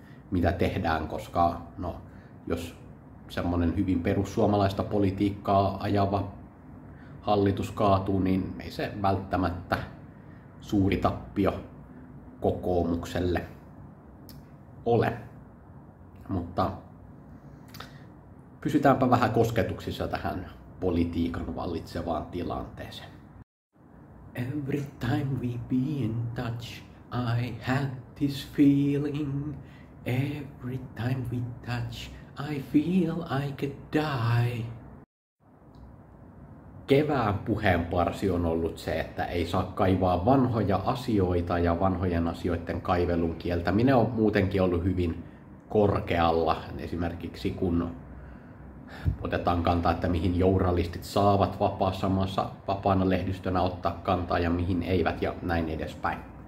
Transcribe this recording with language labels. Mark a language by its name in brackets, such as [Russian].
[Finnish] mitä tehdään, koska no, jos semmoinen hyvin perussuomalaista politiikkaa ajava hallitus kaatuu, niin ei se välttämättä suuri tappio kokoomukselle ole. Mutta pysytäänpä vähän kosketuksissa tähän politiikan vallitsevaan tilanteeseen. [English] Every time we be in touch, I had this feeling. Every time we touch, I feel I could die. [Finnish] Kevään puheenparsi on ollut se, että ei saa kaivaa vanhoja asioita ja vanhojen asioiden kaivelun kieltäminen on muutenkin ollut hyvin korkealla. Esimerkiksi kun otetaan kantaa, että mihin journalistit saavat vapaassa maassa vapaana lehdistönä ottaa kantaa ja mihin eivät ja näin edespäin.